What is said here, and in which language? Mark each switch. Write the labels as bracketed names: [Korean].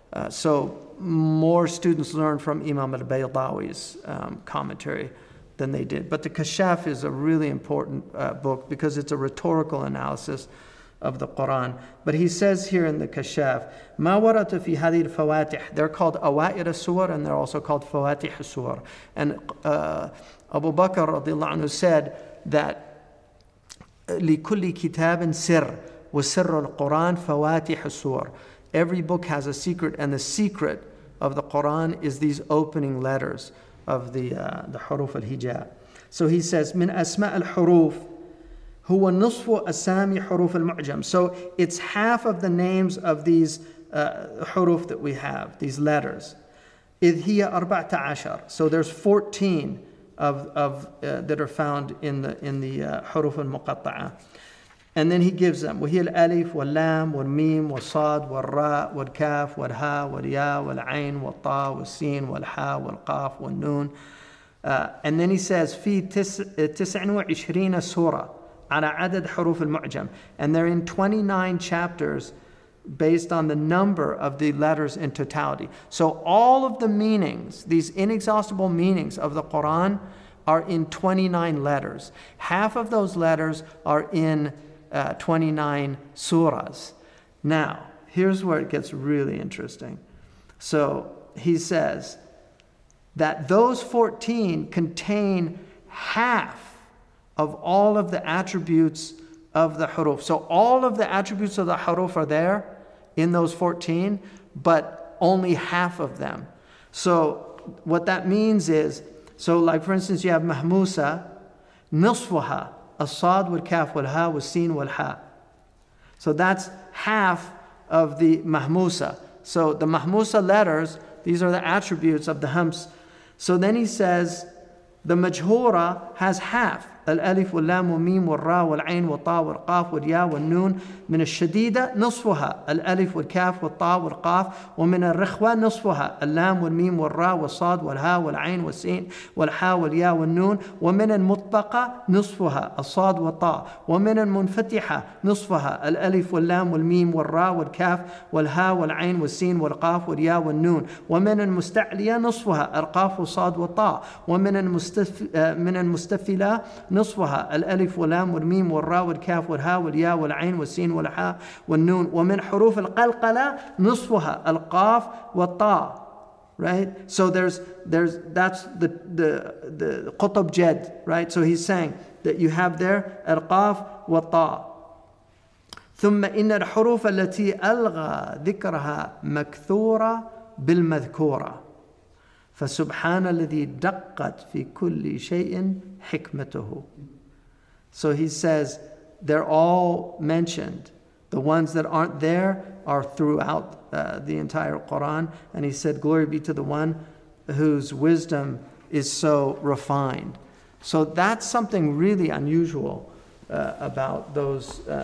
[English] So more students learn from Imam al-Baydawi's commentary than they did. But the Kashaf is a really important book because it's a rhetorical analysis of the Quran. But he says here in the Kashaf, [Arabic] ما ورد في هذه الفواتح. [English] They're called [Arabic] أوائر السور [English] and they're also called [Arabic] فواتح السور. And Abu Bakr رضي الله عنه [English] said that [Arabic] لكل كتاب سر وسر القرآن فواتح السور. [English] Every book has a secret, and the secret of the Quran is these opening letters of the [Arabic] حروف الهجاء. [English] So he says [Arabic] من أسماء الحروف هو نصف أسامي حروف المعجم. [English] So it's half of the names of these حروف that we have, these letters. [Arabic] إذ هي أربعة عشر. [English] So there's 14 of that are found in the [Arabic] حروف المقطعة. [English] And then he gives them. [Arabic] وهي الألف واللام والميم والصاد والراء والكاف والها والياء والعين والطاء والسين والحاء والقاف والنون. [English] And then he says [Arabic] في تسع وعشرين سورة على عدد حروف المعجم. [English] And they're in 29 chapters based on the number of the letters in totality. So all of the meanings, these inexhaustible meanings of the Quran are in 29 letters. Half of those letters are in 29 surahs. Now, here's where it gets really interesting. So he says that those 14 contain half of all of the attributes of the huruf. So all of the attributes of the huruf are there in those 14, but only half of them. So what that means is, so like for instance, you have mahmusa, [Arabic] nisfuha, as-sad wal-kaf wal-ha wal-sin wal-ha. [English] So that's half of the mahmusa. So the mahmusa letters, these are the attributes of the hams. So then he says, the majhura has half. [Arabic] الألف واللام والميم والراء والعين والطاء والقاف والياء والنون من الشديدة نصفها الألف والكاف والطاء والقاف ومن الرخوة نصفها اللام والميم والراء والصاد والها والعين والسين والحاء والياء والنون ومن المطبقة نصفها الصاد والطاء ومن المنفتحة نصفها الألف واللام والميم والراء والكاف والها والعين والسين والقاف والياء والنون ومن المستعلية نصفها القاف والصاد والطاء ومن المستفلة نصفها الألف واللام والميم والراء والكاف والها والياء والعين والسين والحاء والنون ومن حروف القلقلة نصفها القاف والطاء. [English] Right? So there's that's the [Arabic] قطب جد. [English] Right? So he's saying that you have there [Arabic] القاف والطاء. ثم إن الحروف التي ألغى ذكرها مكثورة بالمذكورة فسبحان الذي دقت في كل شيء حكمته. [English] So he says they're all mentioned. The ones that aren't there are throughout the entire Quran. And he said, glory be to the one whose wisdom is so refined. So that's something really unusual about those.